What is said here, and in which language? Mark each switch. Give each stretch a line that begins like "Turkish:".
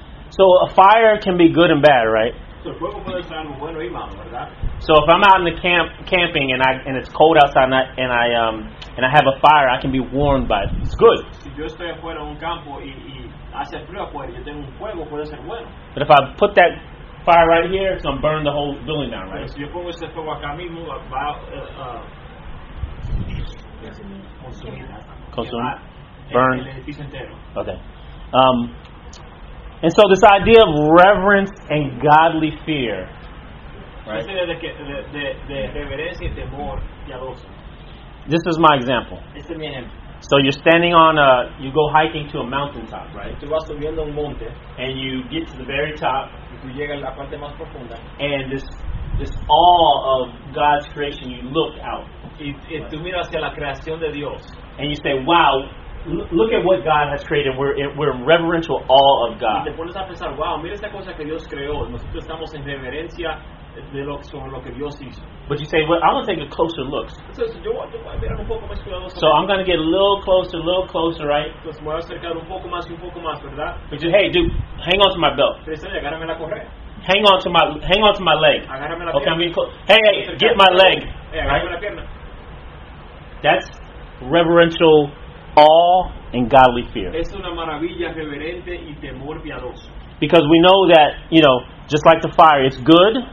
English: So a fire can be good and bad, right? So if I'm out in the camping and it's cold outside and I have a fire, I can be warmed by it. It's good.
Spanish: Si yo estoy afuera en un campo y hace frío afuera y yo tengo un fuego, puede ser bueno.
English: But if I put that fire right here, it's gonna burn the whole building down, right?
Spanish: Si yo pongo ese fuego acá mismo, va
English: burn. Okay. And so this idea of reverence and godly fear, right? This is my example. So you're standing on a, you go hiking to a mountaintop, right? And you get to the very top, and this awe of God's creation, you look out.
Spanish: Y tú miras hacia la creación de Dios.
English: And you say, wow, look at what God has created. We're in reverential awe of God.
Spanish: Y te pones a pensar, wow, mira esta cosa que Dios creó. Nosotros estamos en reverencia de lo que Dios hizo.
English: But you say, well, I'm going to take a closer look. So I'm going to get a little closer, right?
Spanish: Entonces me voy a acercar un poco más y un poco más, ¿verdad?
English: But you say, hey, dude, hang on to my belt.
Spanish: Agárrame la correa.
English: Hang on to my leg. Okay, I'm being close. Hey, get my leg. Right? That's reverential awe and godly fear. Because we know that, you know, just like the fire, it's good.